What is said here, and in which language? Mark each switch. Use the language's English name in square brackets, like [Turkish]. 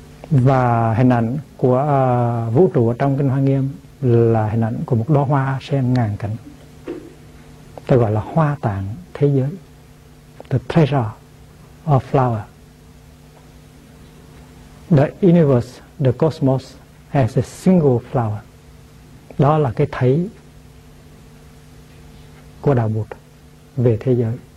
[Vietnamese] Và hình ảnh của vũ trụ trong kinh Hoa Nghiêm là hình ảnh của một đóa hoa sen ngàn cảnh. Ta gọi là hoa tạng thế giới, [English] the treasure of flower. The universe, the cosmos has a single flower. [Vietnamese] Đó là cái thấy của đạo Bụt về thế giới.